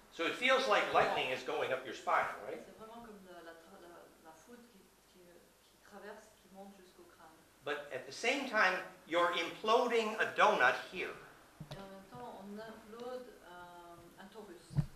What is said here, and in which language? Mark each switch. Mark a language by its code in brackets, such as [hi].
[en] So it feels like lightning is going up your spine, right? [fr] C'est vraiment comme la foudre qui traverse. [en] But at the same time, you're imploding a donut here. [fr] Et en même temps, on implode un torus.